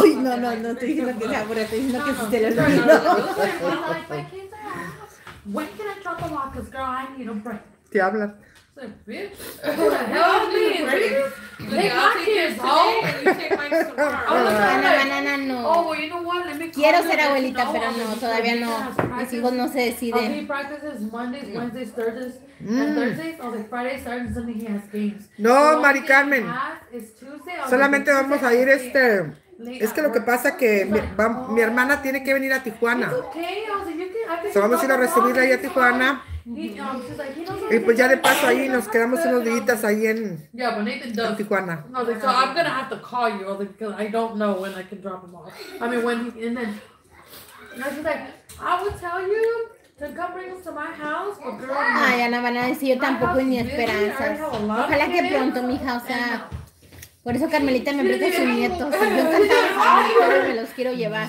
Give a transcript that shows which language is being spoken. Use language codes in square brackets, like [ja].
[es] Uy, no, estoy diciendo que sea burra, estoy diciendo que se te lo olvidó. Te hablan. [en] So Bitch, help me, please. Like, I'll take your phone and you take my cigar. No. Oh, well, you know what? Let me [es] quiero ser abuelita, pero no, todavía no. Mis hijos no se deciden. [en] Okay, he practices Mondays, Wednesdays, Thursdays, and Thursdays. Okay, Friday starts and Sunday he has games. No, so Mari Carmen. Tuesday, [es] solamente Tuesday, vamos a ir este... Es que lo que pasa es que mi hermana tiene que venir a Tijuana. [en] Okay. [es] Vamos a ir a recibirla ahí a Tijuana. [en] Like, [es] y pues ya de paso ahí nos quedamos unos días ahí en, [en] yeah, [es] en Tijuana. [en] No, so I'm gonna have to call you because I don't know when I can drop him off. I mean when he, and then and she's like, I would tell you to come bring him to my house, but girl. [es] Ay, Ana van a decir yo tampoco ni esperanzas. Ojalá que pronto, mija, o sea. Por eso Carmelita me presta a su nieto. Si yo cantaba, pero me los quiero llevar.